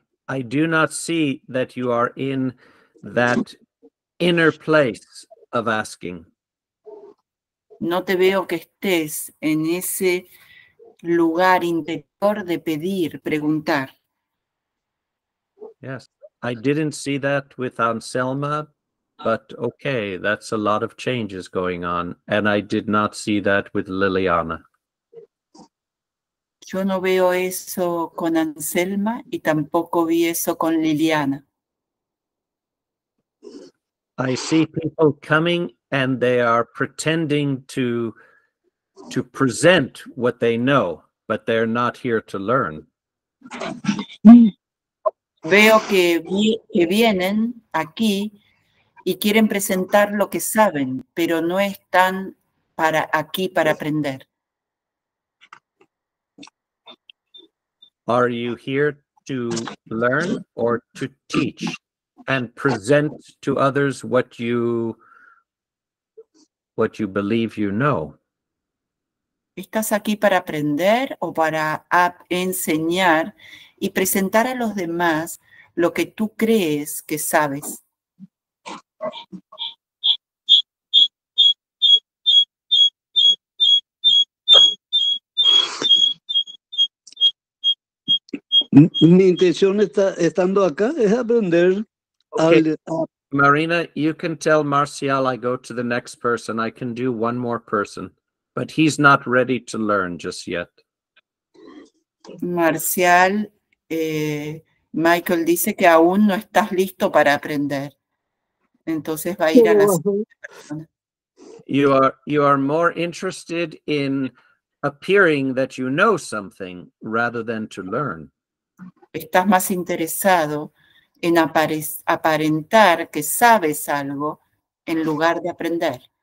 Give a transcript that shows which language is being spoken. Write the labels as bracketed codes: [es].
[en] I do not see that you are in that inner place of asking. [es] No te veo que estés en ese lugar interior de pedir, preguntar. [en] Yes, I didn't see that with Anselma, but okay, that's a lot of changes going on, and I did not see that with Liliana. [es] Yo no veo eso con Anselma y tampoco vi eso con Liliana. [en] I see people coming and they are pretending to present what they know, but they're not here to learn. [es] Veo que vienen aquí y quieren presentar lo que saben, pero no están para aquí para aprender. [en] Are you here to learn or to teach and present to others what you believe you know? [es] ¿Estás aquí para aprender o para enseñar y presentar a los demás lo que tú crees que sabes? Mi intención está estando acá es aprender. [en] Okay. Marina, you can tell Marcial I go to the next person. I can do one more person, but he's not ready to learn just yet. [es] Marcial, Michael dice que aún no estás listo para aprender. Entonces va a ir a la siguiente. [en] You are more interested in appearing that you know something rather than to learn. [es] Estás más interesado en aparentar que sabes algo en lugar de aprender.